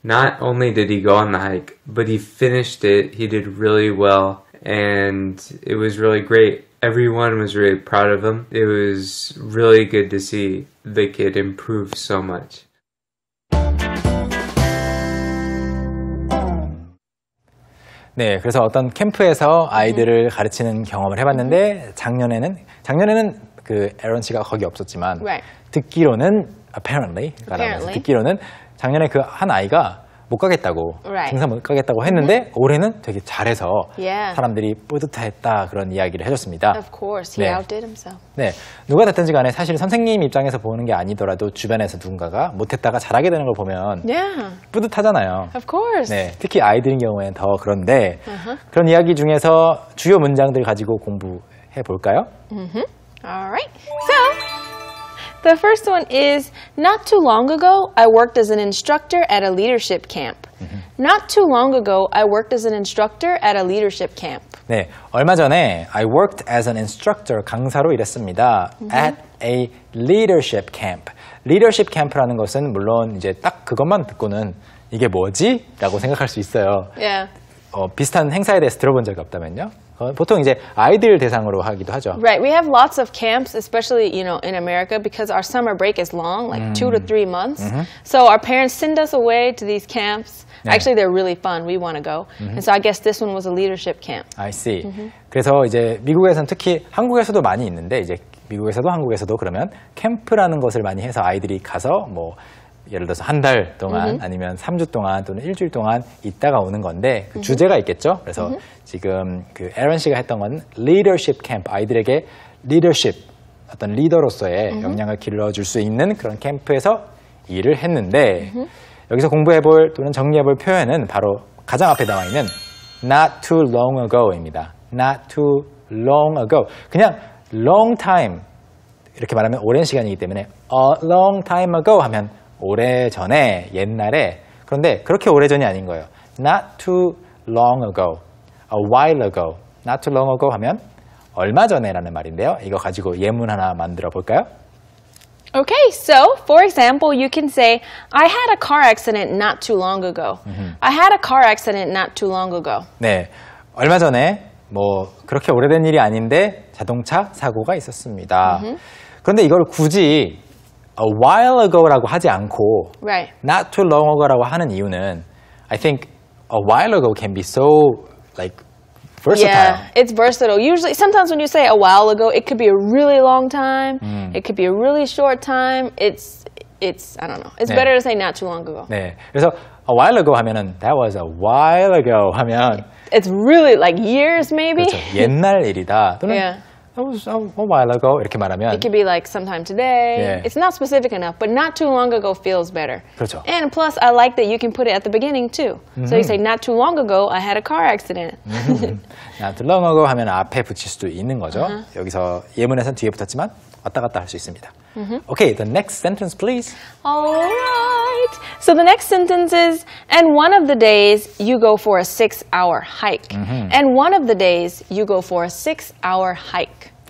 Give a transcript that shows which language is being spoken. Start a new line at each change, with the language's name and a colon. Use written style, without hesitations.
English: Not only did he go on the hike, but he finished it. He did really well, and it was really great. Everyone was really proud of him. It was really good to see the kid improve so much.
Korean: 네, 그래서 어떤 캠프에서 아이들을 가르치는 경험을 해봤는데 작년에는 그 에런 씨가 거기 없었지만
English: right.
Korean: 듣기로는
English: apparently.
Korean: 듣기로는 작년에 그 한 아이가 못 가겠다고
English: right.
Korean: 등산 못 가겠다고 했는데 mm-hmm. 올해는 되게 잘해서
English: yeah.
Korean: 사람들이 뿌듯했다 그런 이야기를 해줬습니다.
English: Of course, he outdid himself.
Korean: 네, 누가 됐든지 간에 사실 선생님 입장에서 보는 게 아니더라도 주변에서 누군가가 못했다가 잘하게 되는 걸 보면
English: yeah.
Korean: 뿌듯하잖아요.
English: Of course.
Korean: 네, 특히 아이들인 경우에는 더 그런데 uh-huh. 그런 이야기 중에서 주요 문장들 가지고 공부해 볼까요?
English: Mm-hmm. All right. So. The first one is, not too long ago, I worked as an instructor at a leadership camp. Mm-hmm. Not too long ago, I worked as an instructor at a leadership camp.
Korean: 네, 얼마 전에
English: I worked as an instructor,
Korean: 강사로 일했습니다. Mm-hmm.
English: At a leadership camp.
Korean: Leadership camp라는 것은 물론 이제 딱 그것만 듣고는 이게 뭐지? 라고 생각할 수 있어요.
English: Yeah.
Korean: 비슷한 행사에 대해서 들어본 적이 없다면요? 보통 이제 아이들 대상으로 하기도 하죠.
English: Right, we have lots of camps, especially you know in America, because our summer break is long, like 2 to 3 months. Mm-hmm. So our parents send us away to these camps. 네. Actually, they're really fun. We want to go. Mm-hmm. And so I guess this one was a leadership camp. I see. Mm-hmm.
Korean: 그래서 이제 미국에서는 특히 한국에서도 많이 있는데 이제 미국에서도 한국에서도 그러면 캠프라는 것을 많이 해서 아이들이 가서 뭐 예를 들어서 한 달 동안 mm-hmm. 아니면 3주 동안 또는 일주일 동안 있다가 오는 건데 그 mm-hmm. 주제가 있겠죠. 그래서 mm-hmm. 지금 그 에런 씨가 했던 건 leadership camp. 아이들에게 leadership, 어떤 리더로서의 mm-hmm. 역량을 길러줄 수 있는 그런 캠프에서 일을 했는데 mm-hmm. 여기서 공부해볼 또는 정리해볼 표현은 바로 가장 앞에 나와 있는
English: not too long ago
Korean: 입니다.
English: Not too long ago.
Korean: 그냥 long time 이렇게 말하면 오랜 시간이기 때문에
English: a long time ago
Korean: 하면 오래전에, 옛날에. 그런데 그렇게 오래전이 아닌 거예요.
English: Not too long ago. A while ago. Not too long ago
Korean: 하면 얼마 전에라는 말인데요. 이거 가지고 예문 하나 만들어 볼까요?
English: Okay, so for example, you can say I had a car accident not too long ago. I had a car accident not too long ago.
Korean: 네, 얼마 전에 뭐 그렇게 오래된 일이 아닌데 자동차 사고가 있었습니다. 그런데 이걸 굳이
English: A while ago
Korean: 라고 하지 않고
English: right. not too long ago라고
Korean: 하는 이유는
English: I think a while ago can be so like versatile. Yeah, it's versatile. Usually, sometimes when you say a while ago, it could be a really long time. Mm. It could be a really short time. It's I don't know. It's 네. better to say not too long ago.
Korean: 네, 그래서
English: a while ago 하면은 that was a while ago 하면 it's really like years maybe.
Korean: 그렇죠. 옛날 일이다. 또는
English: yeah. a while ago
Korean: 이렇게 말하면
English: It could be like sometime today. Yeah. It's not specific enough, but not too long ago feels better.
Korean: 그렇죠.
English: And plus, I like that you can put it at the beginning too. Mm-hmm. So you say, not too long ago, I had a car accident. not too long ago
Korean: 하면 앞에 붙일 수도 있는 거죠. Uh-huh. 여기서 예문에서는 뒤에 붙었지만 왔다 갔다 할 수 있습니다.
English: Mm-hmm. Okay, the next sentence, please. All right. So the next sentence is, and one of the days you go for a six-hour hike. Mm-hmm. And one of the days you go for a six-hour hike.